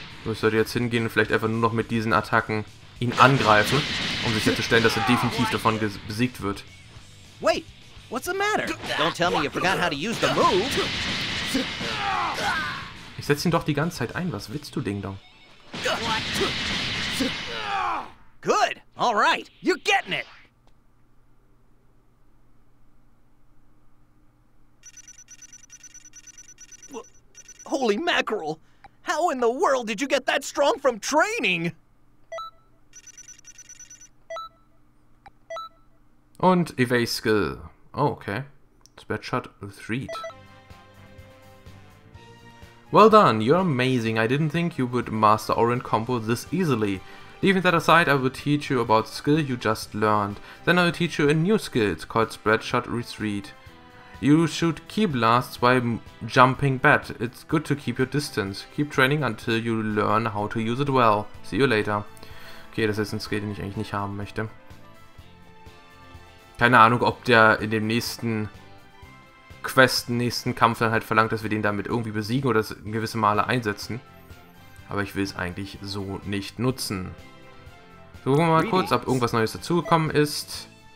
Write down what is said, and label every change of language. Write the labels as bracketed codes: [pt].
[de] Ich sollte jetzt hingehen und vielleicht einfach nur noch mit diesen Attacken ihn angreifen, um sicherzustellen, dass er definitiv davon besiegt wird. [en] Wait, what's the matter? Don't tell me you forgot how to use the move. [de] Ich setze ihn doch die ganze Zeit ein. Was willst du, Ding Dong? [en] Good. All right. You're getting it. Holy mackerel! How in the world did you get that strong from training? [de] Und Evade Skill. Oh, okay. Spreadshot with Reed. [en] Well done, you're amazing. I didn't think you would master Orin combo this easily. Leaving that aside, I will teach you about the skill you just learned. Then I will teach you a new skill. It's called Spreadshot with Reed. You shoot key blasts while jumping bat. It's good to keep your distance. Keep training until you learn how to use it well. See you later. [de] Okay, das ist ein Skill, den ich eigentlich nicht haben möchte. Keine Ahnung, ob der in dem nächsten Quest, nächsten Kampf dann halt verlangt, dass wir den damit irgendwie besiegen oder das in gewisse Male einsetzen. Aber ich will es eigentlich so nicht nutzen. So, gucken wir mal kurz, ob irgendwas Neues dazugekommen ist.